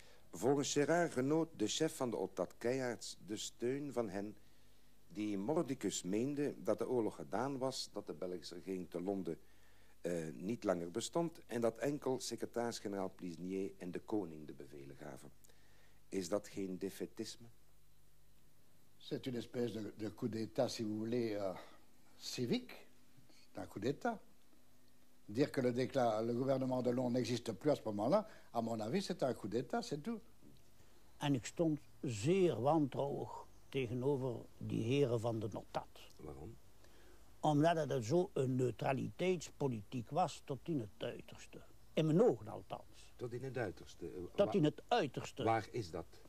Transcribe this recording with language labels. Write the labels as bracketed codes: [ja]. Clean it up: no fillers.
[nl] Volgens Gérard genoot de chef van de OTAT Keijaerts de steun van hen die mordicus meende dat de oorlog gedaan was, dat de Belgische regering te Londen niet langer bestond en dat enkel secretaris-generaal Plisnier en de koning de bevelen gaven. Is dat geen defaitisme? [fr] C'est une espèce de coup d'État, si vous voulez, civique. C'est un coup d'État. Dire que le gouvernement de Londres n'existe plus à ce moment-là, à mon avis, c'est un coup d'État, c'est tout. [nl] En ik stond zeer wantrouwig tegenover die heren van de OTAT. Waarom? Omdat het zo een neutraliteitspolitiek was tot in het uiterste. In mijn ogen althans. Tot in het uiterste? Tot in het uiterste. Waar is dat?